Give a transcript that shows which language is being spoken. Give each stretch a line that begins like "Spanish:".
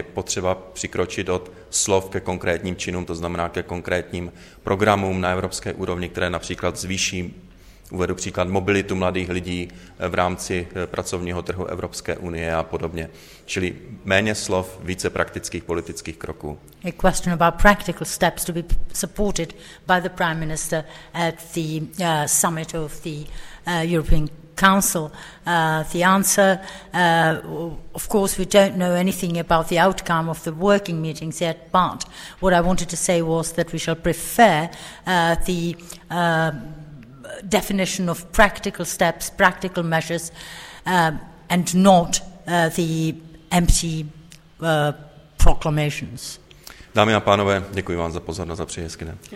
Czech: Je potřeba přikročit od slov ke konkrétním činům, to znamená ke konkrétním programům na evropské úrovni, které například zvýší, uvedu příklad, mobilitu mladých lidí v rámci pracovního trhu Evropské unie a podobně. Čili méně slov, více praktických politických kroků.
English: A question about practical steps to be supported by the Prime Minister at the summit of the European Council. The answer, of course, we don't know anything about the outcome of the working meetings yet, but what I wanted to say was that we shall prefer the definition of practical steps, practical measures, and not the empty proclamations.
Czech: Dámy a pánové, děkuji vám za pozornost a přeji hezký den.